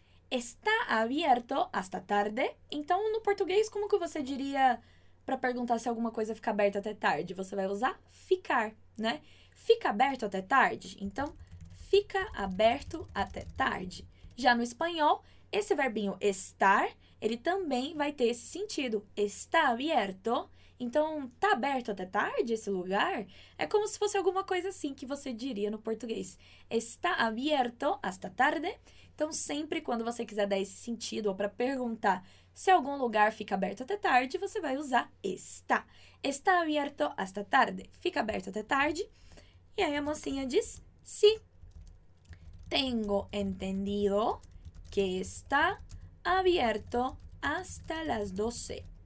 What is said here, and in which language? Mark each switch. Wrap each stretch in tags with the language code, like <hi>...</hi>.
<es>Está aberto hasta tarde.</es> <pt>Então, no português, como que você diria para perguntar se alguma coisa fica aberta até tarde? Você vai usar ficar, né? Fica aberto até tarde. Então, fica aberto até tarde. Já no espanhol, esse verbinho estar, ele também vai ter esse sentido. Está aberto. Então, tá aberto até tarde esse lugar? É como se fosse alguma coisa assim que você diria no português.</pt> <es>Está aberto hasta tarde.</es> <pt>Então, sempre quando você quiser dar esse sentido ou para perguntar Se algum lugar fica aberto até tarde, você vai usar está.</pt> <es>Está abierto hasta tarde.</es> <pt>Fica aberto até tarde. E aí a mocinha diz sí.</pt> <es>Tengo entendido que está abierto hasta las 12.</es>